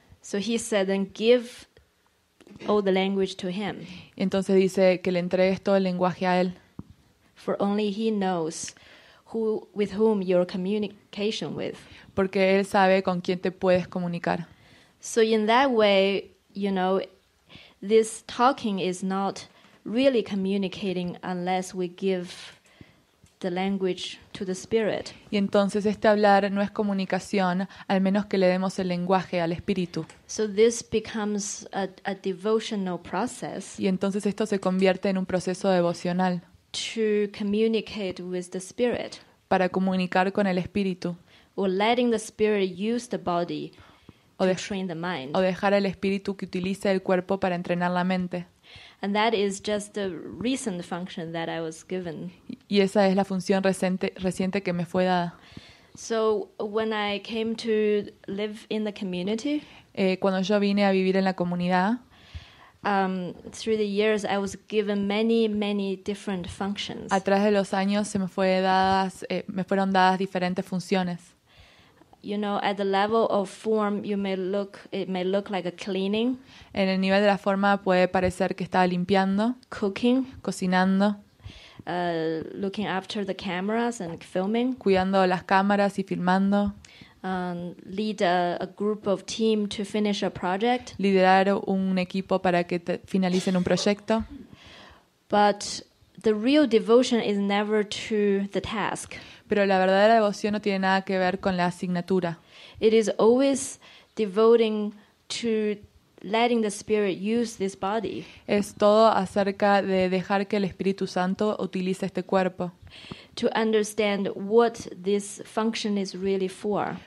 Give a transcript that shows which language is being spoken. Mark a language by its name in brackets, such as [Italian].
[English] So he said then give all the language to him. [Spanish] Entonces dice que le entregues todo el lenguaje a él. [English] For only he knows who with whom you're communication with. [Spanish] Porque él sabe con quién te puedes comunicar. [English] So in that way, you know, this talking is not really communicating unless we give the language to the spirit. [Spanish] Y entonces este hablar no es comunicación al menos que le demos el lenguaje al espíritu. [English] So this becomes a devotional process. [Spanish] Y entonces esto se convierte en un proceso devocional. [English] To communicate with the spirit. [Spanish] Para comunicar con el espíritu. [English] Or letting the spirit use the body to train the mind. [Spanish] O dejar el espíritu que utilice el cuerpo para entrenar la mente. [English] And that is just the recent function that I was given. [Spanish] Y esa es la función reciente que me fue dada. [English] So when I came to live in the community, [Spanish] cuando yo vine a vivir en la comunidad, [English] through the years I was given many, many different functions. [Spanish] A través de los años se me fue dadas, me fueron dadas diferentes funciones. [English] You know, at the level of form, it may look like a cleaning. [Spanish] En el nivel de la forma puede parecer que estaba limpiando. [English] Cooking. [Spanish] Cocinando. [English] Looking after the cameras and filming. [Spanish] Cuidando las cámaras y filmando. [English] Lead a group of team to finish a project. [Spanish] Liderar un equipo para que finalicen un proyecto. [English] But the real devotion is never to the task. [Spanish] Pero la verdadera devoción no tiene nada que ver con la asignatura. [English] It is always devoting to letting the spirit use this body. [Spanish] Es todo acerca de dejar que el Espíritu Santo utilice este cuerpo. [English] To understand what this function is really for.